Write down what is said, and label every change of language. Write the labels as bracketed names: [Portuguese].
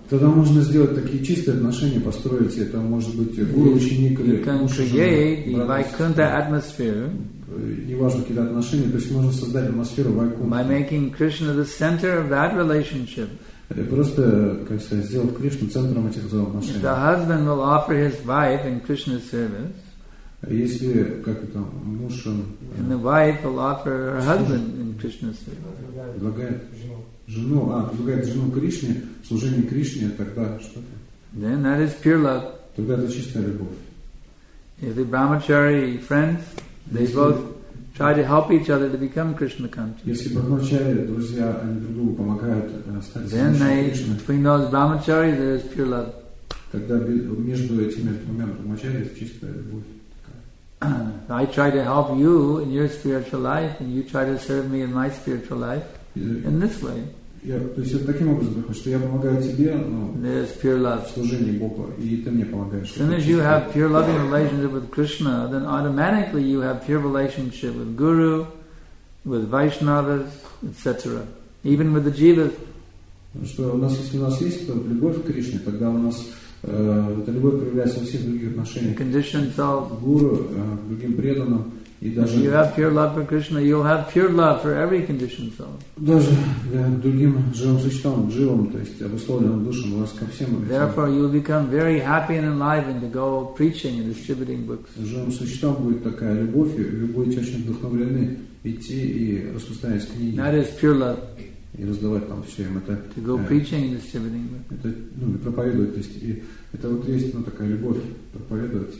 [Russian] Тогда можно сделать такие чистые отношения, построить, это может быть гуру, ученик или муж и жена. [English] You can create the Vaikuntha atmosphere. [Russian] Неважно какие-то отношения, то есть можно создать атмосферу Вайкунта. [English] By making Krishna the center of that relationship. [Russian] Просто, как сказать, сделать Кришну центром этих взаимоотношений. [English] If the husband will offer his wife in Krishna's service. [Russian] Если как это муж. [English] And the wife will offer her husband in Krishna's service. [Russian] Предлагает жену, предлагает жену Кришне, служение Кришне, тогда что? [English] Then that is pure love. [Russian] Тогда это чистая любовь. [English] If the brahmachari friends. They both try to help each other to become Krishna conscious. Then they, between those brahmacharis, there is pure love. I try to help you in your spiritual life, and you try to serve me in my spiritual life in this way. [Russian] То есть это таким образом выходит, что я помогаю тебе, но в служении Богу, и ты мне помогаешь. [English] As soon as you have pure loving relationship with Krishna, then automatically you have pure relationship with Guru, with Vaishnavas, etc. Even with the Jivas. [Russian] Что у нас, если у нас есть то любовь к Кришне, тогда у нас эта любовь проявляется во всех других отношениях. [English] Conditions of [Russian] Guru, другим преданным, [English] If you have pure love for Krishna, you'll have pure love for every conditioned soul. [Russian] Даже для другим живым существам, живым, то есть обусловленным душам, у вас ко всем. [English] Therefore, you will become very happy and enlivened to go preaching and distributing books. [Russian] Живым существам будет такая любовь, и вы будете очень вдохновлены идти и распространять книги. [English] That is pure love. [Russian] И раздавать там все им это. [English] To go preaching and distributing books. [Russian] Это, ну, и проповедовать, то есть, и это вот есть, ну, такая любовь проповедовать.